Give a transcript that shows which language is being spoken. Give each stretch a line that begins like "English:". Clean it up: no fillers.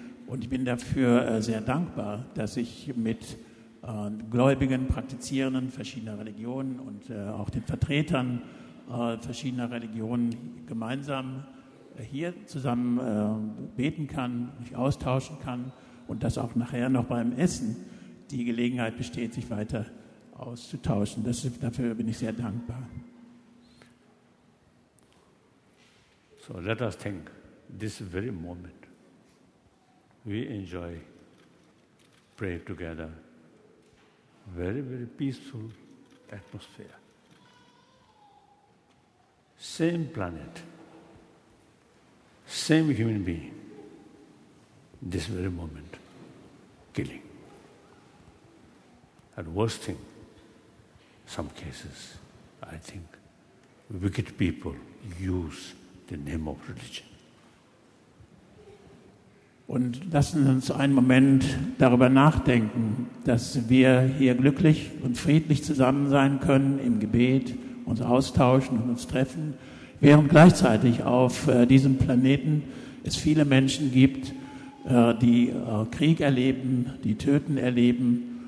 German: Und ich bin dafür sehr dankbar, dass ich mit Gläubigen, Praktizierenden verschiedener Religionen und auch den Vertretern verschiedener Religionen gemeinsam hier zusammen beten kann, mich austauschen kann und dass auch nachher noch beim Essen die Gelegenheit besteht, sich weiter auszutauschen. Dafür bin ich sehr dankbar.
English: So let us think this very moment we enjoy pray together very, very peaceful atmosphere. Same planet, same human being, this very moment, killing. and worst thing, some cases, I think, wicked people use the name of religion.
German: Und lassen Sie uns einen Moment darüber nachdenken, dass wir hier glücklich und friedlich zusammen sein können, im Gebet uns austauschen und uns treffen, während gleichzeitig auf diesem Planeten es viele Menschen gibt, die Krieg erleben, die Töten erleben.